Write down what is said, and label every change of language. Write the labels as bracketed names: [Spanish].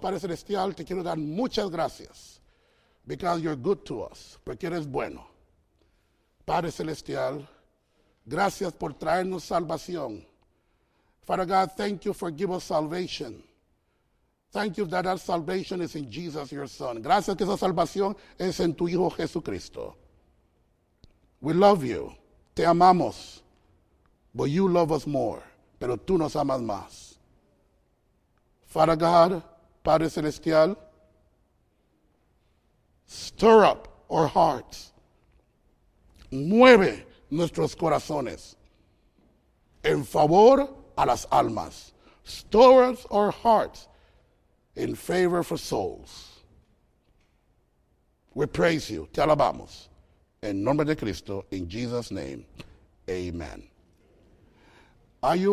[Spanish] Padre Celestial, te quiero dar muchas gracias. [English] Because you're good to us. [Spanish] Porque eres bueno. Padre Celestial, gracias por traernos salvación. [English] Father God, thank you for giving us salvation. Thank you that our salvation is in Jesus, your Son. [Spanish] Gracias que esa salvación es en tu Hijo Jesucristo. [English] We love you. [Spanish] Te amamos. [English] But you love us more. [Spanish] Pero tú nos amas más. Father God, Padre Celestial, [English] stir up our hearts. [Spanish] Mueve nuestros corazones en favor a las almas. [English] Stir up our hearts in favor for souls. We praise you. [Spanish] Te alabamos. En nombre de Cristo, [English] in Jesus' name, amen. [Spanish] Hay un